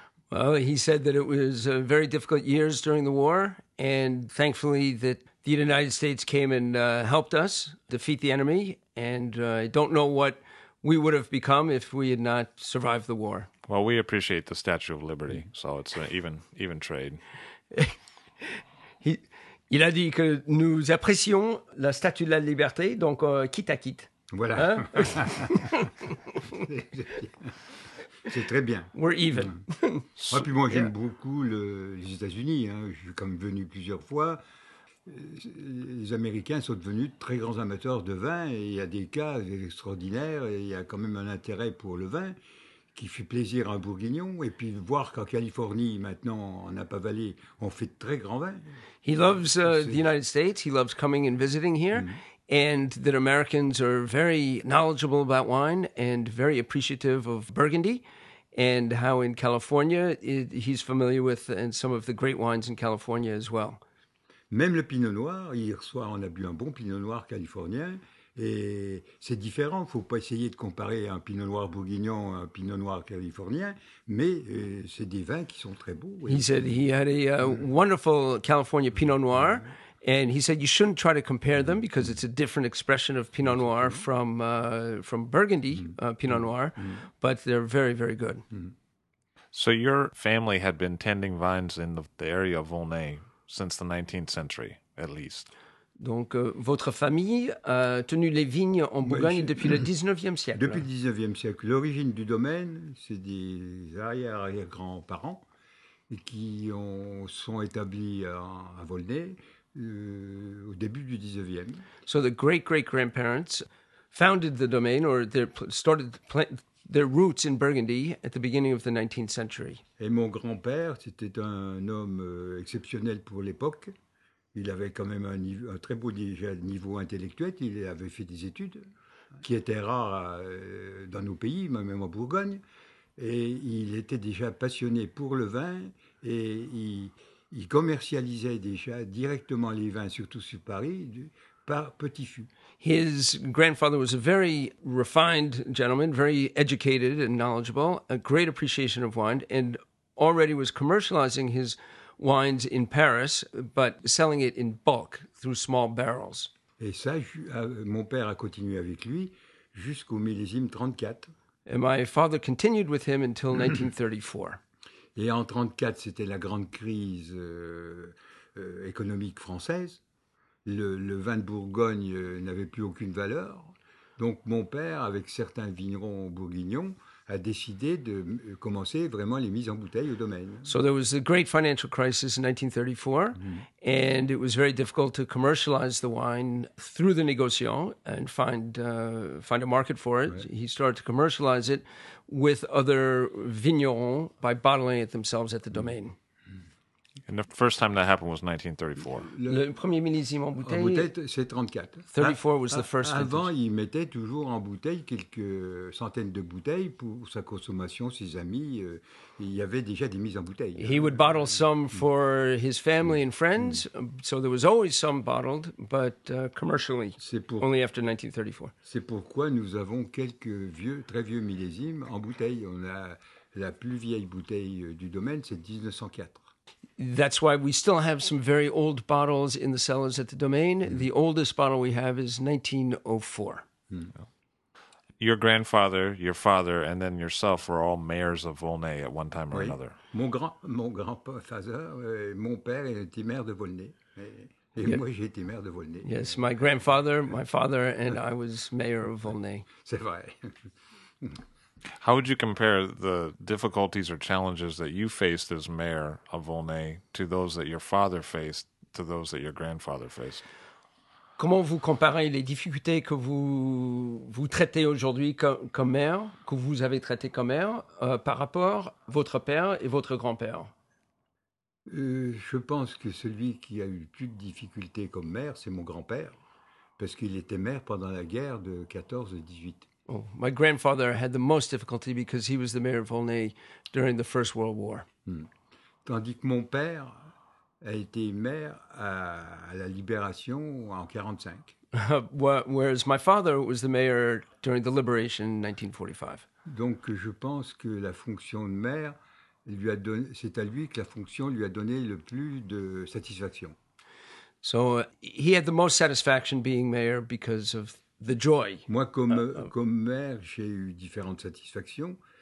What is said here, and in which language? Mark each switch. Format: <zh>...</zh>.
<en>Well, he said that it was very difficult years during the war, and thankfully that the United States came and helped us defeat the enemy, and I don't know what we would have become if we had not survived the war. Well, we appreciate the Statue of Liberty, so it's an even trade.</en> <fr>Il a dit que nous apprécions la Statue de la Liberté, donc quitte à quitte. Voilà. Hein? C'est très bien.</fr> <en>We're even. Mm.</en> <fr>Ouais, puis moi, j'aime beaucoup les États-Unis. Hein. Je suis comme venu plusieurs fois. Les Américains sont devenus très grands amateurs de vin. Et il y a des cas extraordinaires. Et il y a quand même un intérêt pour le vin qui fait plaisir à un bourguignon. Et puis voir qu'en Californie, maintenant, en Napa Valley, on fait de très grands vins.</fr> <en>He loves the United States. He loves coming and visiting here. Mm-hmm. And that Americans are very knowledgeable about wine and very appreciative of Burgundy. And how in California, he's familiar with and some of the great wines in California as well.</en> <fr>Même le Pinot Noir. Hier soir, on a bu un bon Pinot Noir californien. Et c'est différent. Il ne faut pas essayer de comparer un Pinot Noir bourguignon à un Pinot Noir californien. Mais c'est des vins qui sont très beaux.</fr> <en>He said he had a wonderful California Pinot Noir. And he said you shouldn't try to compare them because it's a different expression of Pinot Noir from Burgundy Pinot Noir. But they're very, very good. So your family had been tending vines in the area of Volnay since the 19th century, at least.</en> <fr>Donc, votre famille a tenu les vignes en Bourgogne depuis le 19e siècle. Depuis le 19e siècle. L'origine du domaine, c'est des arrière-grands-parents qui sont établis à Volnay au début du 19e.</fr> <en>So the great-great-grandparents founded the domain or started their roots in Burgundy at the beginning of the 19th century.</en> <fr>Et mon grand-père, c'était un homme exceptionnel pour l'époque. Il avait quand même un très beau niveau intellectuel. Il avait fait des études qui étaient rares dans nos pays, même en Bourgogne. Et il était déjà passionné pour le vin. Et il commercialisait déjà directement les vins, surtout sur Paris, par petits fûts.</fr> <en>His grandfather was a very refined gentleman, very educated and knowledgeable, a great appreciation of wine, and already was commercializing his wines in Paris, but selling it in bulk through small barrels.</en> <fr>Et ça, mon père a continué avec lui jusqu'au millésime 34.</fr> <en>And my father continued with him until 1934.</en> <fr>Et en 34, c'était la grande crise économique française. Le vin de Bourgogne n'avait plus aucune valeur. Donc mon père, avec certains vignerons bourguignons, a décidé de commencer vraiment les mises en bouteille au domaine.</fr> <en>So there was a great financial crisis in 1934, and it was very difficult to commercialize the wine through the négociant and find a market for it. Ouais. He started to commercialize it with other vignerons by bottling it themselves at the domaine. And the first time that happened was 1934.</en> <fr>Le premier millésime en bouteille. En bouteille, c'est 34.</fr> <en>34 was the first.</en> <fr>Avant, il mettait toujours en bouteille quelques centaines de bouteilles pour sa consommation, ses amis. Il y avait déjà des mises en bouteille.</fr> <en>He would bottle some for his family and friends, so there was always some bottled, but commercially, only after 1934.</en> <fr>C'est pourquoi nous avons quelques vieux, très vieux millésimes en bouteille. On a la plus vieille bouteille du domaine, c'est 1904.</fr> <en>That's why we still have some very old bottles in the cellars at the domain. Mm. The oldest bottle we have is 1904. Your grandfather, your father, and then yourself were all mayors of Volnay at one time or another.</en> <fr>Mon grand-père, mon père était maire de Volnay. Et moi, j'ai été maire de Volnay.</fr> <en>Yes, my grandfather, my father, and I was mayor of Volnay.</en> <fr>C'est vrai.</fr> <en>How would you compare the difficulties or challenges that you faced as mayor of Volnay to those that your father faced, to those that your grandfather faced?</en> <fr>Comment vous comparez les difficultés que vous traitez aujourd'hui comme maire, que vous avez traité comme maire, par rapport à votre père et votre grand-père? Je pense que celui qui a eu le plus de difficultés comme maire, c'est mon grand-père, parce qu'il était maire pendant la guerre de 14-18.</fr> <en>Oh, my grandfather had the most difficulty because he was the mayor of Volnay during the First World War.</en> <fr>Tandis que mon père a été maire à la Libération en 45.</fr> <en>Whereas my father was the mayor during the Liberation in 1945.</en> <fr>Donc je pense que la fonction de maire lui a donné, c'est à lui que la fonction lui a donné le plus de satisfaction.</fr> <en>So he had the most satisfaction being mayor because of the joy.</en> <fr>Moi, comme maire, j'ai eu différentes satisfactions.</fr>